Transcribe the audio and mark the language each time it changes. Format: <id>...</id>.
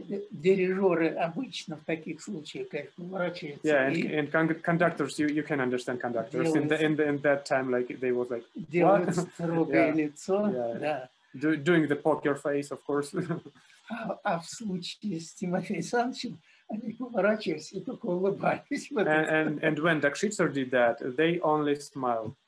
<ru>Дирижеры обычно в таких случаях, конечно, ворачиваются.</ru> <en>Yeah, and conductors, you can understand conductors in that time, like they was like</en> <ru>делают строгое лицо, да.</ru> <en>Doing the poker face, of course.</en> <ru>А в случае с Тимофеем Александровичем они поворачивались и только улыбались.</ru> <en>And when Dokshizer did that, they only smiled.</en>